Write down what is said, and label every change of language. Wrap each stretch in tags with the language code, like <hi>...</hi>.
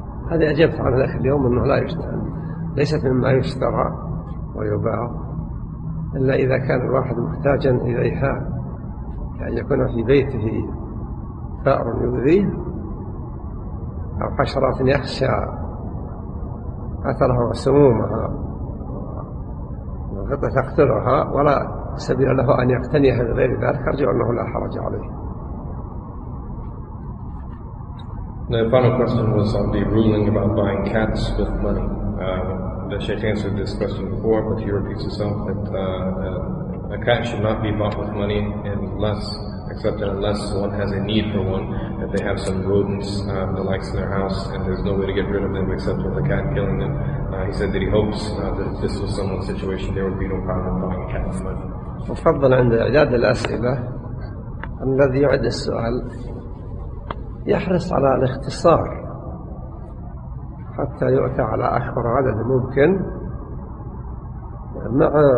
<ar>هذه أجبت عنها ذاك اليوم، أنه لا يشتغل، ليست مما يشترى ويباع إلا إذا كان الواحد محتاجا إليها، كأن يكون في بيته فأر يؤذيه أو حشرة يخشى أثرها وسمومها وغطة تقتلها، ولا سبيل له أن يقتنيها بغير ذلك، أرجو أنه لا حرج عليه.</ar> <en>The final question was on the ruling about buying cats with money. The Sheikh answered this question before, but he repeats himself that a cat should not be bought with money except unless one has a need for one, that they have some rodents, the likes in their house, and there's no way to get rid of them except with a cat killing them. He said that he hopes that if this was someone's situation, there would be no problem buying a cat with money.</en> <ar>مفضل عند إعداد الأسئلة الذي يعد السؤال يحرص على الاختصار حتى يؤتى على أكبر عدد ممكن، مع</ar>